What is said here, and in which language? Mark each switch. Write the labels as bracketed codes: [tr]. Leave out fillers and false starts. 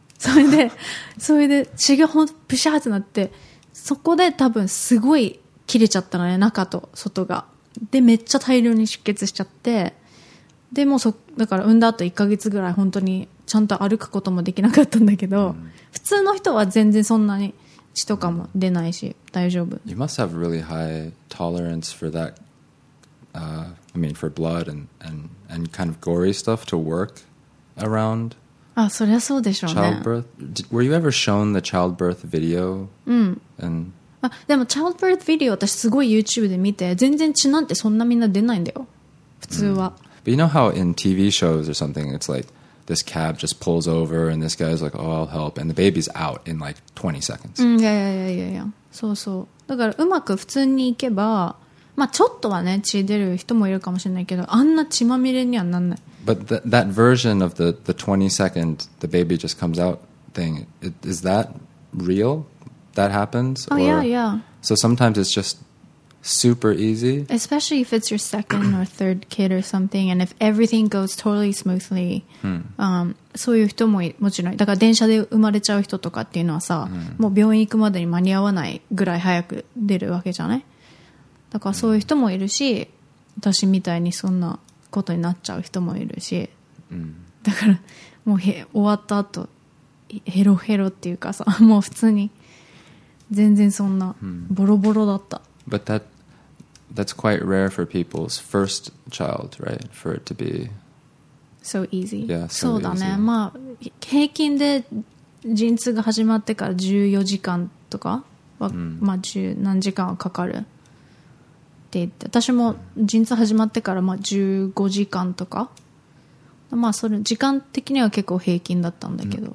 [ja] それで血がほんとプシャーってなって、そこで多分すごい切れちゃったのね、中と外が。で、めっちゃ大量に出血しちゃって、でもだから産んだ後1ヶ月ぐらい本当にちゃんと歩くこともできなかったんだけど、普通の人は全然そんなに血とかも出ないし、大丈夫。 [en] You must have really high tolerance for that, I mean for blood and kind of gory stuff to work around. [ja] あ、そりゃそうでしょうね。 [en] Childbirth? Were you ever shown the childbirth video? [ja] あ、でも [en] childbirth video [ja] 私すごい YouTube で見て、全然血なんてそんなみんな出ないんだよ、普通は。 [en] But you know how in TV shows or something, it's like this cab just pulls over and this guy's like, oh, I'll help, and the baby's out in like 20 seconds. Yeah. [ja] そうそう。だからうまく普通に行けば、まあちょっとはね血出る人もいるかもしれないけど、あんな血まみれにはなんない。 [en] But that version of the 20 second, the baby just comes out thing, is that real? That happens? Oh, yeah. So sometimes it's just super easy? Especially if it's your second or third kid or something, and if everything goes totally smoothly, [ja] そういう人ももちろん、だから電車で生まれちゃう人とかっていうのはさ、もう病院行くまでに間に合わないぐらい早く出るわけじゃない？だからそういう人もいるし、私みたいにそんな、ことになっちゃう人もいるし、だからもう終わった後ヘロヘロっていうかさ、もう普通に全然そんなボロボロだった。 [en] But that's quite rare for people's first child, right? For it to be so easy. Yeah, [ja] そうだね。まあ平均で陣痛が始まってから14時間とかは、まあ十何時間はかかる。私も陣痛始まってからまあ15時間とか、まあそれ時間的には結構平均だったんだけど。